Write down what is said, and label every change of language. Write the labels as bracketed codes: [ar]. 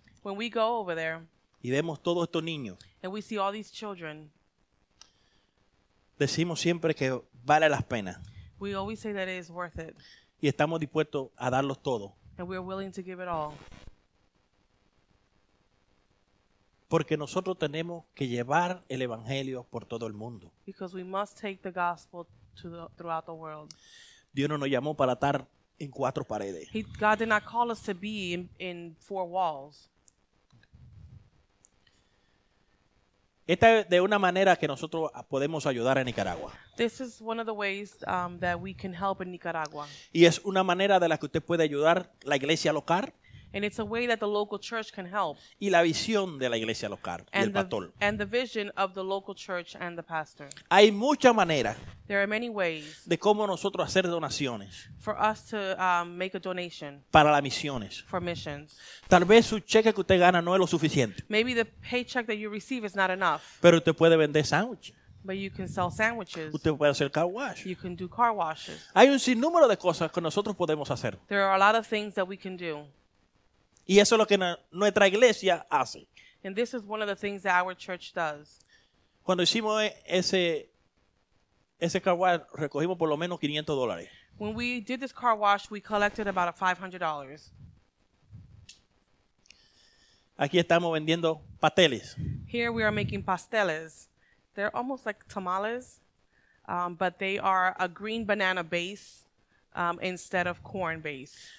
[en] When we go over there. [es] Y vemos todos estos niños. [en] And we see all these children. [es] Decimos siempre que vale las penas. [en] We always say that it is worth it. [es] Y estamos dispuestos a darlos todo. [en] And we are willing to give it all. [es] Porque nosotros tenemos que llevar el evangelio por todo el mundo. [en] Because we must take the gospel to the, throughout the world. [es] Dios no nos llamó para estar en cuatro paredes. [en] God did not call us to be in four walls. [es] Esta es de una manera que nosotros podemos ayudar a Nicaragua. [en] This is one of the ways that we can help in Nicaragua. [es] Y es una manera de la que usted puede ayudar la iglesia local. [en] And it's a way that the local church can help. [es] Y la visión de la iglesia local [en] and [es] y el pastor. [en] And the vision of the local church and the pastor. [es] Hay muchas maneras. [en] There are many ways. [es] De cómo nosotros hacer donaciones. [en] For us to make a donation. [es] Para las misiones. [en] For missions. [es] Tal vez su cheque que usted gana no es lo suficiente. [en] Maybe the paycheck that you receive is not enough. [es] Pero usted puede vender sándwiches. [en] But you can sell sandwiches. [es] Usted puede hacer car wash. [en] You can do car washes. [es] Hay un sinnúmero de cosas que nosotros podemos hacer. [en] There are a lot of things that we can do. [es] Y eso es lo que nuestra iglesia hace. [en] And this is one of the things that our church does. [es] Cuando hicimos ese car wash, recogimos por lo menos $500. [en] When we did this car wash, we collected about $500. [es] Aquí estamos vendiendo pasteles. [en] Here we are making pasteles. They're almost like tamales, but they are a green banana base instead of corn base.